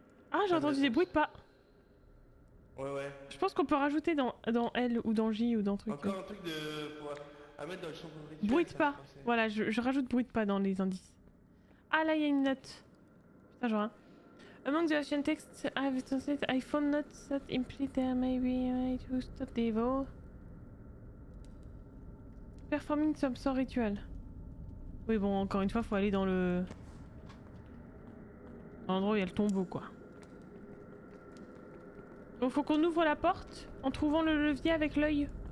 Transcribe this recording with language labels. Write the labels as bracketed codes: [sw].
[fr] Ah, j'ai entendu des bruits de pas. Ouais, ouais. Je pense qu'on peut rajouter dans L ou dans J ou dans truc. Encore comme. Un truc de. Pour, à mettre dans le champ de rituel. Bruit de pas. Ça, voilà, je rajoute bruit de pas dans les indices. Ah, là, il y a une note. Putain, genre. [en] Among the ancient texts, I've translated iPhone notes that imply there may be a way to stop the evil. Performing some sort rituel. [fr] Oui, bon, encore une fois, faut aller dans le. Dans l'endroit où il y a le tombeau, quoi. Donc faut qu'on ouvre la porte en trouvant le levier avec l'œil.